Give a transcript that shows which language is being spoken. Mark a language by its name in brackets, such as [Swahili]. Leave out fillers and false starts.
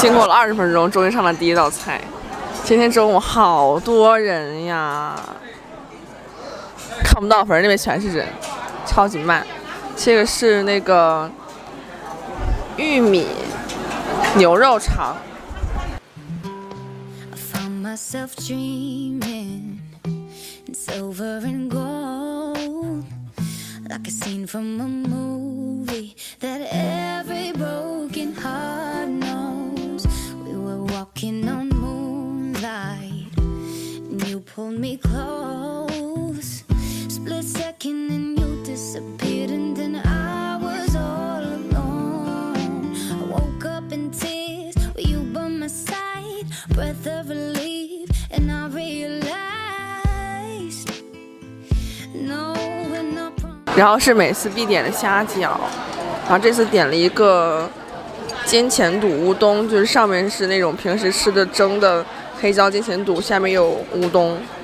[Chinese] 经过了20分钟，终于上了第一道菜。今天中午好多人呀，看不到，反正那边全是人，超级慢。这个是那个玉米牛肉肠。 [English] I found myself dreaming in silver and gold, like a scene from a movie that every broken heart knows. We were walking on moonlight, and you pulled me close. Split second and you disappeared, and then I was all alone. I woke up in tears with you by my side, breath of relief, and I realized no, we're not promised. [Chinese] 然后是每次必点的虾饺，然后这次点了一个金钱肚乌冬，就是上面是那种平时吃的蒸的黑椒金钱肚，下面有乌冬。